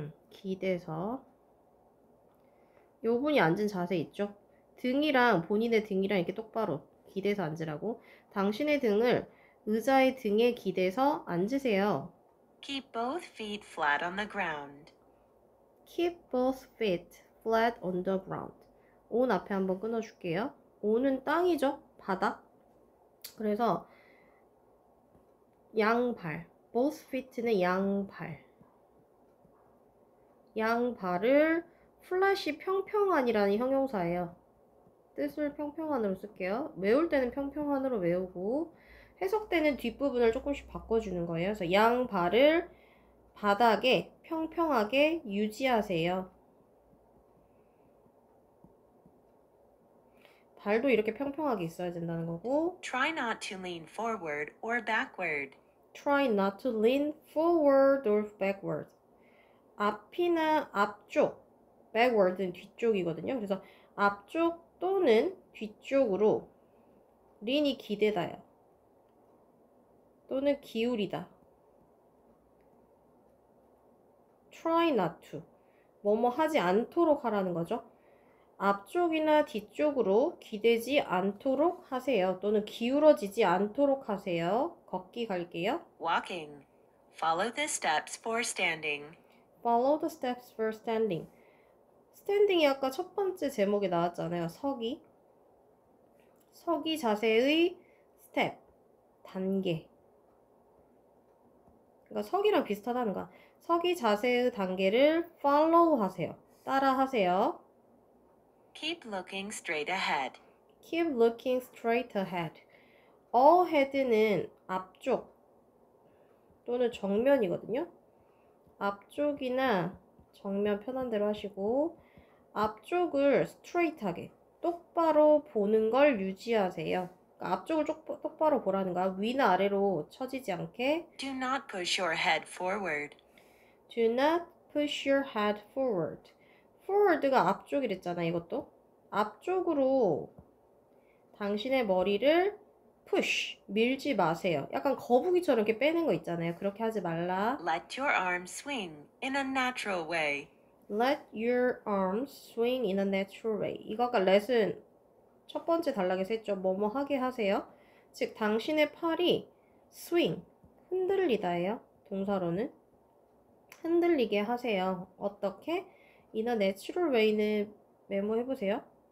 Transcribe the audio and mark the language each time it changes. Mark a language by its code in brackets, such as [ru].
[ko] 기대서. 요 분이 앉은 자세 있죠? 등이랑 본인의 등이랑 이렇게 똑바로 기대서 앉으라고. 당신의 등을 의자의 등에 기대서 앉으세요. [en] Keep both feet flat on the ground. Keep both feet flat on the ground. [ko] on 앞에 한번 끊어줄게요. on은 땅이죠? 바닥. 그래서 양발. both feet는 양발. 양발을 flat이 평평한이라는 형용사예요. 뜻을 평평한으로 쓸게요. 외울 때는 평평한으로 외우고 해석 때는 뒷부분을 조금씩 바꿔주는 거예요. 그래서 양발을 바닥에 평평하게 유지하세요. 발도 이렇게 평평하게 있어야 된다는 거고. [en] Try not to lean forward or backward. Try not to lean forward or backward. [ko] 앞이나 앞쪽, backward는 뒤쪽이거든요. 그래서 앞쪽 또는 뒤쪽으로 lean이 기대다요. 또는 기울이다. [en] Try not to. [ko] 뭐뭐 하지 않도록 하라는 거죠. 앞쪽이나 뒤쪽으로 기대지 않도록 하세요. 또는 기울어지지 않도록 하세요. 걷기 갈게요. [en] Walking. Follow the steps for standing. Follow the steps for standing. [ko] Standing이 아까 첫 번째 제목에 나왔잖아요. 서기. 서기 자세의 스텝. 단계. 그러니까 서기랑 비슷하다는 거야. 서기 자세의 단계를 follow 하세요. 따라 하세요. [en] Keep looking straight ahead. Keep looking straight ahead. [ko] 헤드는 앞쪽 또는 정면이거든요. 앞쪽이나 정면 편한 대로 하시고, 앞쪽을 스트레이트하게 똑바로 보는 걸 유지하세요. 앞쪽을 똑바로 보라는 거야. 위나 아래로 처지지 않게. [en] Do not push your head forward. Do not push your head forward. [ko] Forward가 앞쪽이랬잖아, 이것도. 앞쪽으로 당신의 머리를 push, 밀지 마세요. 약간 거북이처럼 이렇게 빼는 거 있잖아요. 그렇게 하지 말라. [en] Let your arm swing in a natural way. Let your arms swing in a natural way. [ko] 이거 아까 let은 첫 번째 단락에서 했죠. 뭐뭐 하게 하세요. 즉, 당신의 팔이 swing, 흔들리다예요. 동사로는. 흔들리게 하세요. 어떻게? [en] In a natural way는 [ko] 메모해 보세요.